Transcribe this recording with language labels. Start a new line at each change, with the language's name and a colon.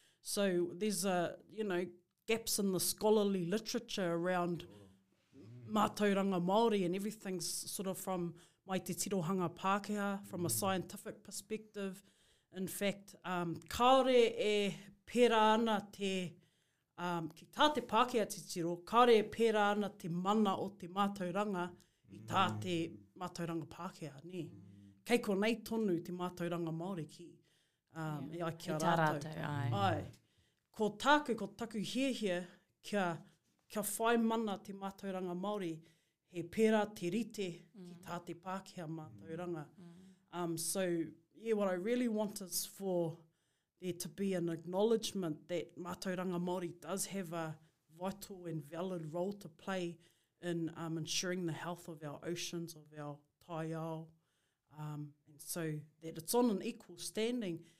English: So there's a, you know, gaps in the scholarly literature around mātauranga Māori, and everything's sort of from
Māori: mai te tirohanga Pākehā,
English: from a scientific perspective. In fact,
Māori: kāore e pērā ana te, ki tā te Pākehā te tiro, kāore e pērā ana te mana o te mātauranga i tā te mātauranga Pākehā, ne? Kei ko nei tonu te mātauranga Māori ki, yeah, ia ki a rātau. Ko tāku, ko taku hiehie, kia whai mana te mātauranga Māori, he pērā te rite ki tā te Pākehā mātauranga.
English: So, yeah, what I really want is for there to be an acknowledgement that mātauranga Māori does have a vital and valid role to play in ensuring the health of our oceans, of our tai ao, and so that it's on an equal standing.